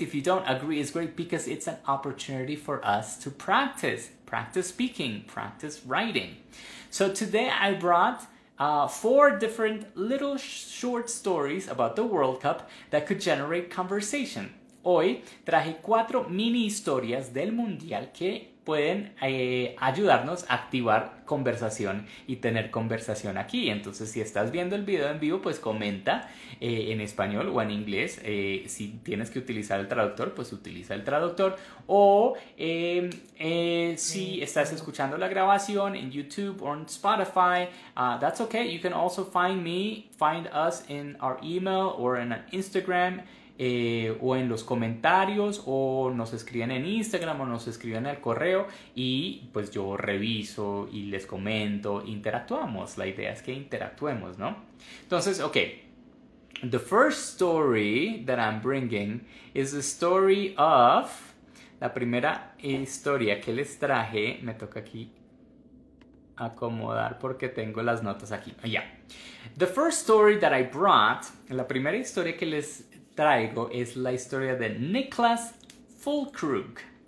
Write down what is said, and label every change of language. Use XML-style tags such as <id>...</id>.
<en>If you don't agree, it's great, because it's an opportunity for us to practice. Practice speaking, practice writing. So today I brought four different little short stories about the World Cup that could generate conversation.</en> <es>Hoy traje cuatro mini historias del Mundial que pueden ayudarnos a activar conversación y tener conversación aquí. Entonces, si estás viendo el video en vivo, pues comenta en español o en inglés. Si tienes que utilizar el traductor, pues utiliza el traductor. O si estás escuchando la grabación en YouTube o en Spotify,</es> <en>that's okay. You can also find us in our email or in an Instagram.</en> <es>O en los comentarios, o nos escriben en Instagram, o nos escriben al correo, y pues yo reviso y les comento, interactuamos. La idea es que interactuemos, ¿no? Entonces, okay.</es> <en>The first story that I'm bringing is the story of...</en> <es>La primera historia que les traje, me toca aquí acomodar porque tengo las notas aquí. Yeah.</es> <en>The first story that I brought,</en> <es>la primera historia que les traigo, es la historia de Niklas Füllkrug.</es>